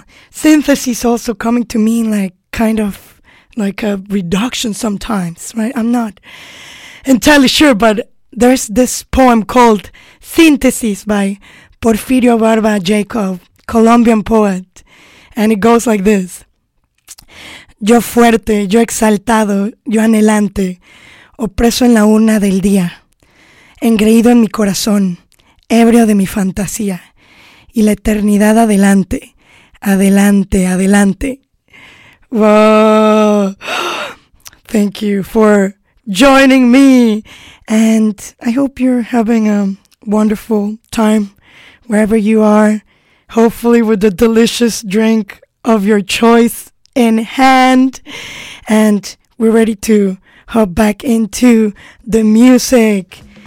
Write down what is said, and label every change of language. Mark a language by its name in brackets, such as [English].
[English] Synthesis also coming to mean like kind of like a reduction sometimes, right? I'm not entirely sure, but there's this poem called Synthesis by Porfirio Barba Jacob, Colombian poet, and it goes like this. [Spanish] Yo fuerte, yo exaltado, yo anhelante, opreso en la urna del día, engreído en mi corazón, ebrio de mi fantasía, y la eternidad adelante, adelante, adelante. [English] Wow. Thank you for joining me, and I hope you're having a wonderful time wherever you are, hopefully with the delicious drink of your choice in hand, and we're ready to hop back into the music.